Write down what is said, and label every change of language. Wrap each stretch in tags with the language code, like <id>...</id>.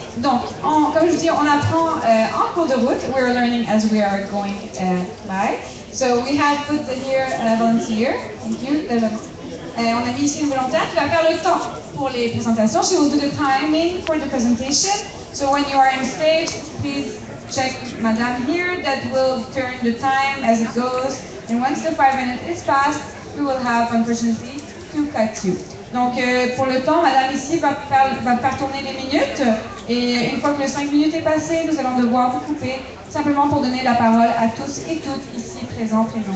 <fr>Donc, comme je vous dis, on apprend en cours de route.</fr> <en>We're learning as we are going by. So we have put here a volunteer. Thank you.</en> <fr>On a mis ici une volontaire qui va faire le temps pour les présentations.</fr> <en>She will do the timing for the presentation. So when you are on stage, please check Madame here that will turn the time as it goes. And once the 5 minutes is passed, we will have unfortunately to cut you.</en> <fr>Donc pour le temps, Madame ici va faire tourner les minutes. Et une fois que les 5 minutes est passé, nous allons devoir vous couper simplement pour donner la parole à tous et toutes ici présentes.</fr>